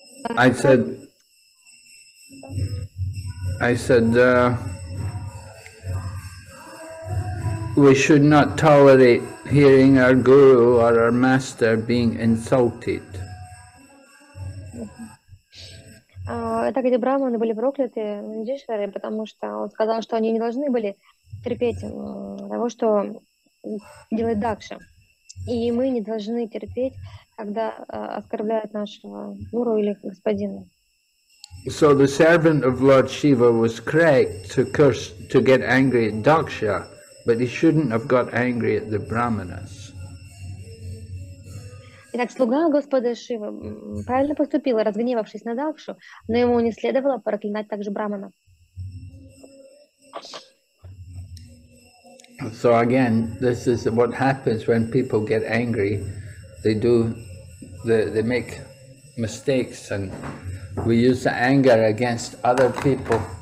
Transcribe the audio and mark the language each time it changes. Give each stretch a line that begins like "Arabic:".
English: I said, we should not tolerate hearing our guru or our master being insulted.
Russian: Так эти брахманы были прокляты Нандишварой, потому что он сказал, что они не должны были терпеть того, что делает Дакша. И мы не должны терпеть, когда оскорбляют нашего гуру или господина.
English: So the servant of Lord Shiva was correct to curse, to get angry at Daksha. But he shouldn't have got angry at the brahmanas.
Russian: Итак, слуга Господа Шивы правильно поступил, разгневавшись на Дакшу, но ему не следовало проклинать также брахмана.
English: So again, this is what happens when people get angry. They do, they make mistakes, and we use the anger against other people.